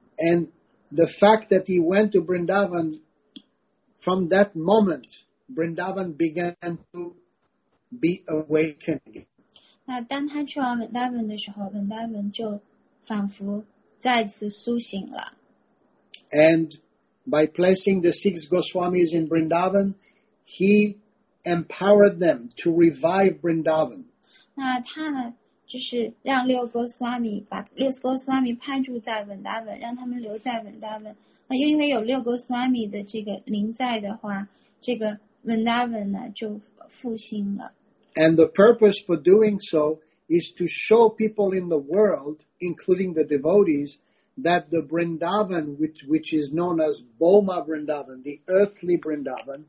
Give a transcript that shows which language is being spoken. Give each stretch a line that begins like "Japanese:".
English: And the fact that he went to Vrindavan, from that moment, Vrindavan began to be awakened again.
Chinese: 那当他去完 Vrindavan 的时候， Vrindavan 就仿佛再次苏醒了。
English: And by placing the six Goswamis in Vrindavan, he empowered them to revive Vrindavan.
Chinese: 那他们就是让六哥斯瓦米把六哥斯瓦米派驻在文达文，让他们留在文达文。那又因为有六哥斯瓦米的这个灵在的话，这个文达文呢就复兴了。
English: And the purpose for doing so is to show people in the world, including the devotees, that the Vrindavan, which is known as Boma Vrindavan, the earthly Vrindavan,、